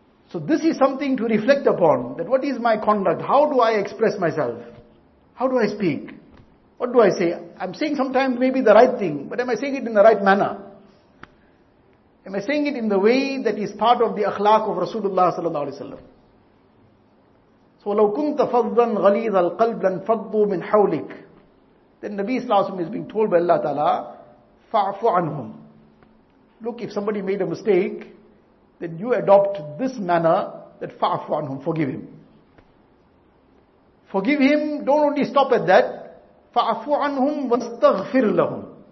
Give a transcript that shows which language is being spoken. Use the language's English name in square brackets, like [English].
[English] So this is something to reflect upon, that what is my conduct? How do I express myself? How do I speak? What do I say? I'm saying sometimes maybe the right thing, but am I saying it in the right manner? Am I saying it in the way that is part of the akhlaq of Rasulullah sallallahu alaihi wasallam? [Arabic] So لو كنت فظا غليظ القلب لانفضوا من حولك. [English] Then Nabi sallallahu alaihi wasallam is being told by Allah Ta'ala, [Arabic] فَعْفُ عَنْهُمْ. [English] Look, if somebody made a mistake, then you adopt this manner, that [Arabic] فَعْفُ عَنْهُمْ, [English] forgive him. Forgive him, don't only stop at that. [Arabic] فَعْفُ عَنْهُمْ وَاسْتَغْفِرْ لَهُمْ.